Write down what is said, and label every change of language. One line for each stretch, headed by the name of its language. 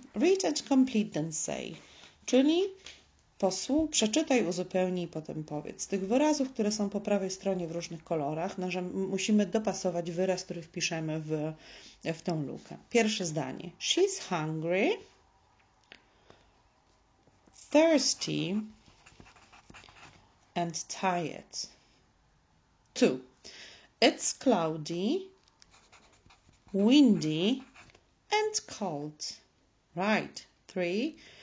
English: Read and complete then say.
Polish: Czyli przeczytaj, uzupełnij i potem powiedz. Z tych wyrazów, które są po prawej stronie w różnych kolorach, musimy dopasować wyraz, który wpiszemy w tę lukę. Pierwsze zdanie.
English: She's hungry, thirsty and tired. Two. It's cloudy, windy and cold. Right. Three.